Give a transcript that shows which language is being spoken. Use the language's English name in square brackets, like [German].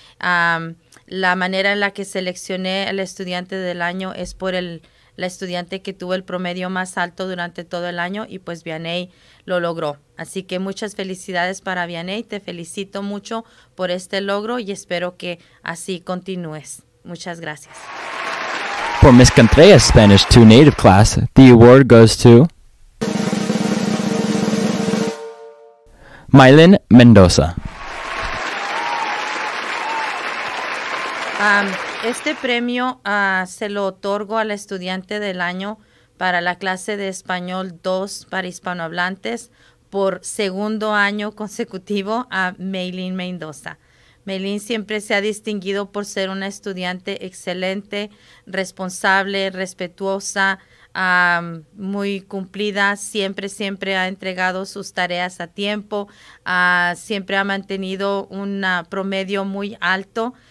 [Spanish] La manera en la que seleccioné al estudiante del año es por la estudiante que tuvo el promedio más alto durante todo el año y pues Vianney lo logró. Así que muchas felicidades para Vianney. Te felicito mucho por este logro y espero que así continúes. Muchas gracias. [English] For Ms. Contreras' Spanish 2 native class, the award goes to Mylin Mendoza. [Spanish] Este premio se lo otorgo al estudiante del año para la clase de español 2 para hispanohablantes por segundo año consecutivo a Mylin Mendoza. Mylin siempre se ha distinguido por ser una estudiante excelente, responsable, respetuosa, muy cumplida, siempre, siempre ha entregado sus tareas a tiempo, siempre ha mantenido un promedio muy alto.